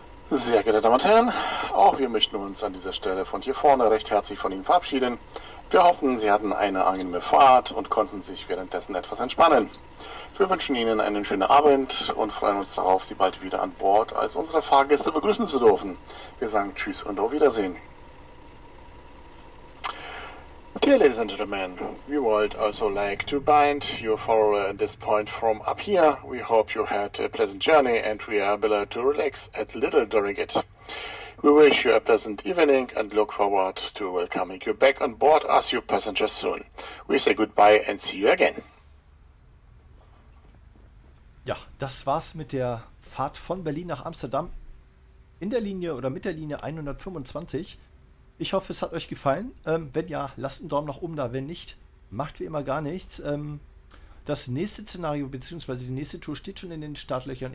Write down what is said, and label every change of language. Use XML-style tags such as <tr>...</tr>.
<de>Sehr geehrte Damen und Herren, auch wir möchten uns an dieser Stelle von hier vorne recht herzlich von Ihnen verabschieden. Wir hoffen, Sie hatten eine angenehme Fahrt und konnten sich währenddessen etwas entspannen. Wir wünschen Ihnen einen schönen Abend und freuen uns darauf, Sie bald wieder an Bord als unsere Fahrgäste begrüßen zu dürfen. Wir sagen Tschüss und auf Wiedersehen.</de> <en>Dear ladies and gentlemen, we would also like to bind your follower at this point from up here. We hope you had a pleasant journey and we are able to relax a little during it. We wish you a pleasant evening and look forward to welcoming you back on board as your passengers soon. We say goodbye and see you again.</en> <de>Ja, das war's mit der Fahrt von Berlin nach Amsterdam in der Linie oder mit der Linie 125. Ich hoffe, es hat euch gefallen. Wenn ja, lasst einen Daumen nach oben da. Wenn nicht, macht wie immer gar nichts. Das nächste Szenario bzw. die nächste Tour steht schon in den Startlöchern.</de>